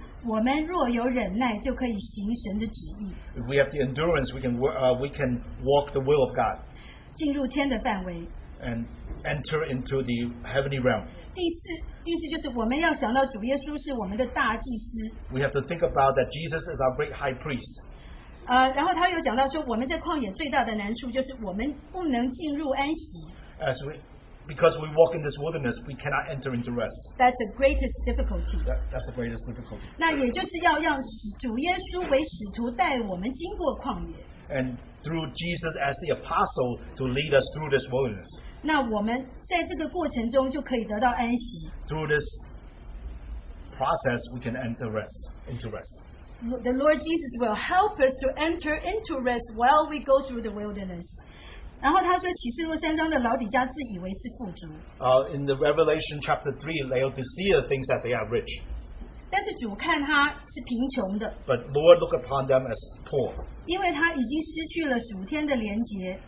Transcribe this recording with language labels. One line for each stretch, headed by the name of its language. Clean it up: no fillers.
English: If we have the endurance, we can walk the will of God.
Chinese: 进入天的范围,
English: and enter into the heavenly realm.
Chinese: 第四,
English: we have to think about that Jesus is our great high priest.
Chinese: 然后他又讲到说我们在旷野最大的难处就是我们不能进入安息,
English: because we walk in this wilderness, we cannot enter into rest. That's the greatest difficulty. That's the greatest difficulty.
Chinese: 那也就是要让主耶稣为使徒带我们经过旷野,
English: and through Jesus as the apostle to lead us through this wilderness.
Chinese: 那我们在这个过程中就可以得到安息,
English: through this process we can enter rest, into rest. The Lord Jesus will help us to enter into rest while we go through the wilderness.
Chinese: 然后他说启示录三章的老底家自以为是富足,
English: In the Revelation chapter 3, Laodicea thinks that they are rich.
Chinese: 但是主看他是贫穷的,
English: but Lord look upon them as poor.
Chinese: 因为他已经失去了属天的连结,